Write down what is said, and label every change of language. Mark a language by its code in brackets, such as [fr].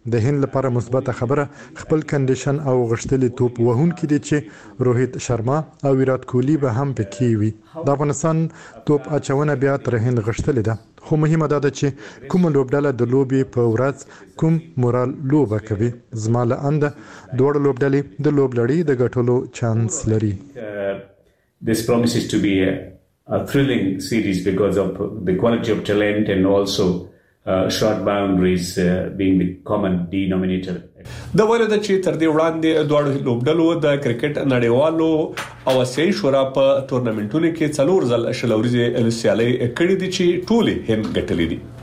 [ps] د هند لپاره مثبته خبره خپل کنډیشن او غشتلې توپ وهونکي دي چې روهیت شرما او ویرات کوهلی به هم پکې وي. د افغانستان توپ اچونه بیا تر هند غشتلې ده، خو مهمه دا ده چې کوم لوبډله د لوبې په ورځ کوم مورال لوبه کوي. زما له انده دواړه لوبډلې د لوبلړۍ د ګټلو چانس لري. [en] This promises to be a thrilling series because of the quality of talent and also short boundaries being the common denominator. [ps] د وړو د چې تر دې وړاندې دوه لوبډلو د کرکټ نړیوالو او آسیایي شورا په تورنمنټونو کې څلور ځل شل اوریزه سیالۍ کړې دي چې ټولې هم ګټلې دي.